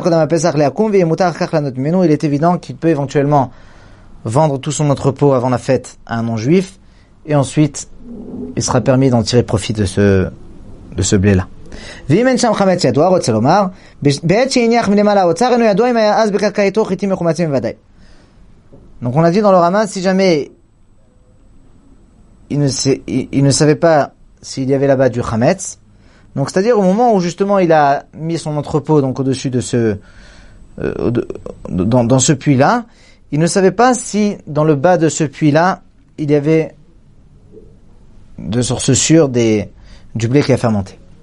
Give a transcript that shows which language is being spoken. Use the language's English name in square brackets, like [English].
[French] Il est évident qu'il peut éventuellement vendre tout son entrepôt avant la fête à un non-juif, et ensuite, il sera permis d'en tirer profit de ce blé-là. [Hebrew] ואם אין שם חמץ ידוע, רוצה לומר, בעת שהניח מלמעלה האוצר, אינו ידוע אם היה אז בקרקעיתו חיטים מחומצים בוודאי. [French] Donc on a dit dans le Rama, si jamais il ne savait pas s'il y avait là-bas du chametz, donc c'est-à-dire au moment où justement il a mis son entrepôt donc au-dessus de ce dans ce puits-là, il ne savait pas si dans le bas de ce puits-là il y avait de source sûre du blé qui a fermenté.